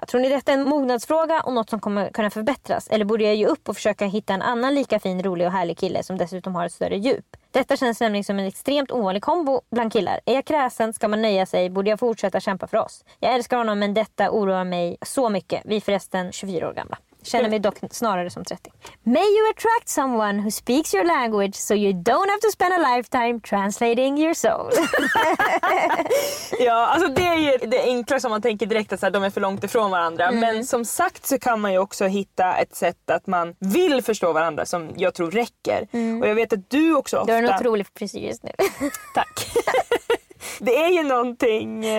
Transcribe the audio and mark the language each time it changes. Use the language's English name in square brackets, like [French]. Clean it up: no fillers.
[Swedish] Tror ni detta är en mognadsfråga och något som kommer kunna förbättras? Eller borde jag ge upp och försöka hitta en annan lika fin, rolig och härlig kille som dessutom har ett större djup? Detta känns nämligen som en extremt ovanlig kombo bland killar. Är jag kräsen? Ska man nöja sig? Borde jag fortsätta kämpa för oss? Jag älskar honom, men detta oroar mig så mycket. Vi är förresten 24 år gamla. Känner mig dock snarare som 30. [English] May you attract someone who speaks your language so you don't have to spend a lifetime translating your soul. [Swedish] Ja, alltså det är ju det enkla som man tänker direkt, att de är för långt ifrån varandra. Mm. Men som sagt så kan man ju också hitta ett sätt att man vill förstå varandra som jag tror räcker. Mm. Och jag vet att du också ofta... Du har en otrolig precis nu. Tack. Det är ju någonting...